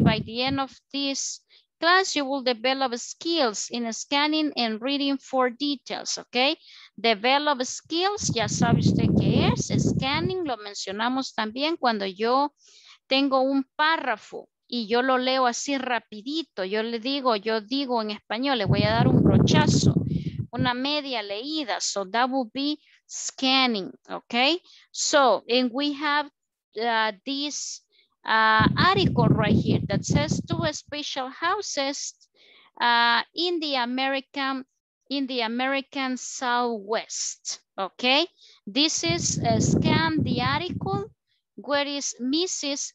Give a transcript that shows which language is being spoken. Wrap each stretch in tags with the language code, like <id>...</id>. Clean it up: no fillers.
<en>By the end of this class, you will develop skills in scanning and reading for details, ok. Develop skills,</en> <es>ya sabe usted qué es. Scanning, lo mencionamos también cuando yo tengo un párrafo y yo lo leo así rapidito. Yo le digo, yo digo en español, le voy a dar un brochazo, una media leída.</es> <en>So that would be scanning, ok. So, and we have this article right here that says two special houses in the American Southwest. Okay, this is scan the article where is Mrs.</en>